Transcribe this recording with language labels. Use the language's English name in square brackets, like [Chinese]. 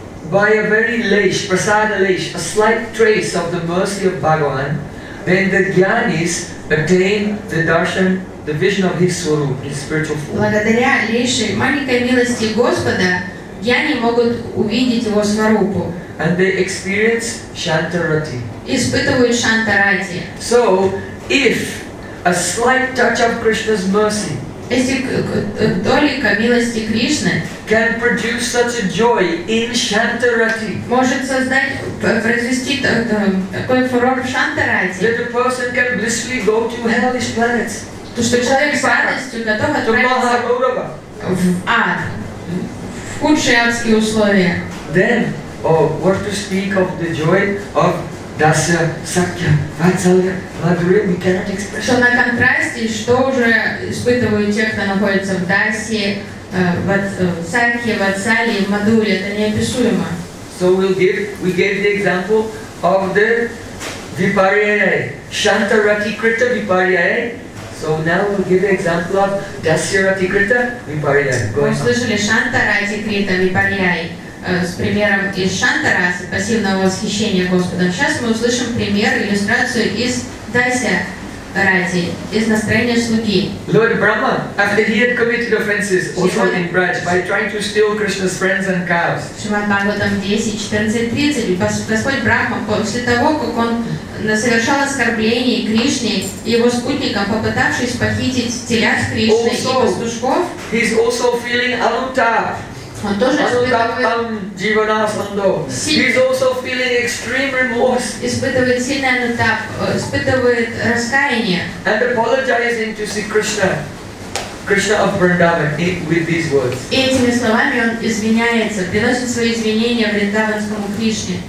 [English] By a very leish, prasada leish, a slight trace of the mercy of Bhagavan, then the jnanis attain the darshan, the vision of his swarup, his spiritual form. [Russian] Благодаря лишь маленькой милости Господа, джняни могут увидеть его сварупу. [English] And they experience шантарати. [Russian] Испытывают шантарати. [English] So, if a slight touch of Krishna's mercy, [Russian] если толика милости Кришны, [English] can produce such a joy in шантарати, [Russian] может создать, произвести такой фурор в шантарати, [English] that a person can blissfully go to hellish planets. [Russian] То, что человек с радостью готов отправиться в ад, в худшие адские условия. [English] Then, what to speak of the joy of Dasya, Sakya, Vatsalya, Madhurya, we cannot express. [Russian] То на контрасте, что уже испытывают те, кто находится в Дасе, Сакхе, Ватсалье, Мадхурье, это неописуемо. [English] So we gave the example of the Vipariyai, Shantarati Krita Vipariyai. So now we'll give an example of Dasyarati Krita Vipariyai. [Russian] Мы слышали Шантарати Крита Випарьяй с примером из Шантараси, пассивного восхищения Господом. Сейчас мы услышим пример, иллюстрацию из Дасярати, из настроения слуги. [English] Lord Brahma, after he had committed offenses also in Braj by trying to steal Krishna's friends and cows. [Russian] Шримад Бхагаватам 10.14.30. Господь Брахма, после того, как он совершал оскорбление Кришне и его спутникам, попытавшись похитить телят Кришны [English] also, [Russian] и пастушков. [English] He's also feeling anutta. [Russian] Он тоже [English] He's also feeling extreme remorse. [Russian] Испытывает сильный анутта, испытывает раскаяние. [English] And apologizing to see Krishna of Vrindavan with these words. [Russian] И этими словами он извиняется, приносит свои извинения вриндаванскому Кришне.